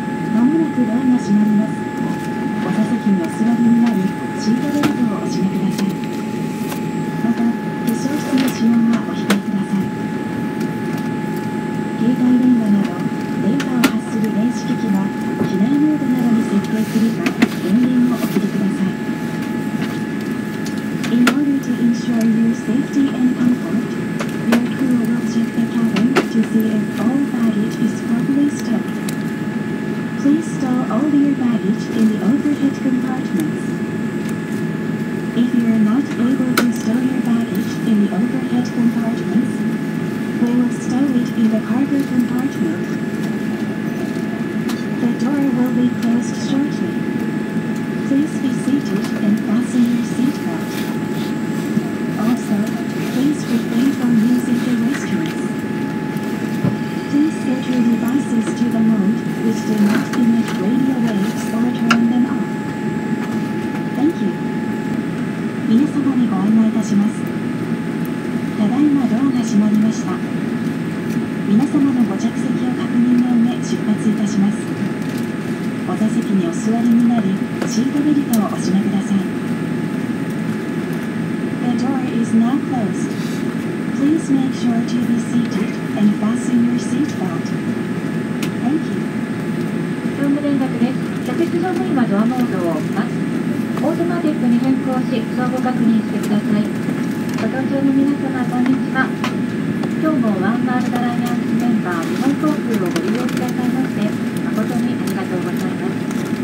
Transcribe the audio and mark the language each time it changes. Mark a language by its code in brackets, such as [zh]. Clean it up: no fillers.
[ja] まもなくドアが閉まります。お座席にお座りになりシートベルトをお締めください。また化粧室の使用はお控えください。携帯電話など電波を発する電子機器は機内モードなどに設定するか電源をお切りください。 [en] In order to ensure your safety and comfort, your crew will check the cabin to see if all baggage is properly stowed. Please store all your baggage in the overhead compartments. If you are not able to store your baggage in the overhead compartments, we will stow it in the cargo compartment. The door will be closed shortly. Please be seated and fasten your seatbelt. Also, please refrain from using the restrooms. Please set your devices to the mode which do not emit radio waves or turn them off. Thank you. [ja] 皆様にご案内いたします。ただいまドアが閉まりました。皆様のご着席を確認の上出発いたします。お座席にお座りになり、シートベルトをお締めください。 [en] The door is now closed. Please make sure to be seated and fasten your seatbelt. Thank you. [ja] 業務連絡です。客室乗務員はドアモードを押します。オートマティックに変更し、相互確認してください。ご搭乗の皆様、こんにちは。今日もワンワールドアライアンスメンバー、日本航空をご利用くださいまして、誠にありがとうございます。